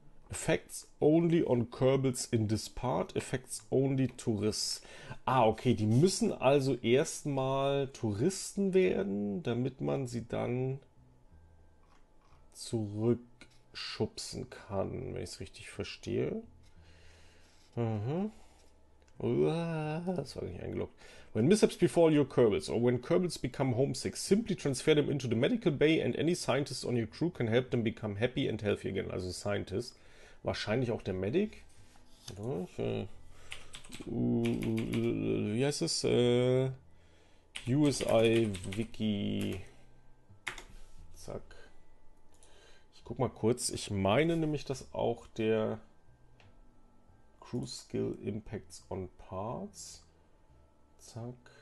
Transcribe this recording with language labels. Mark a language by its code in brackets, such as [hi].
[en] Effects only on Kerbals in this part. Effects only Tourists. [de] Ah, okay, die müssen also erstmal Touristen werden, damit man sie dann zurückschubsen kann, wenn ich es richtig verstehe. Das war nicht eingeloggt. [en] When mishaps befall your Kerbals or when Kerbals become homesick, simply transfer them into the medical bay and any scientist on your crew can help them become happy and healthy again. [de] Also Scientist. Wahrscheinlich auch der Medic. Wie heißt es? USI-Wiki. Zack. Ich guck mal kurz. Ich meine nämlich, dass auch der Crew Skill Impacts on Parts. Zack.